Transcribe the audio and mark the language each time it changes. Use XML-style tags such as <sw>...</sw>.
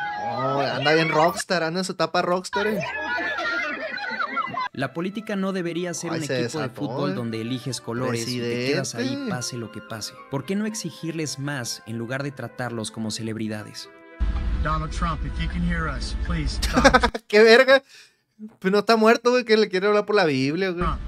<es>¡Oh! ¡Anda bien rockstar! ¡Anda en su etapa rockstar! La política no debería ser un equipo de fútbol donde eliges colores y te quedas ahí pase lo que pase. ¿Por qué no exigirles más en lugar de tratarlos como celebridades?</es> <en>Donald Trump, if you can hear us, please.</en> <es>¡Qué verga! Pues no está muerto, güey, que le quiere hablar por la Biblia, güey.</es>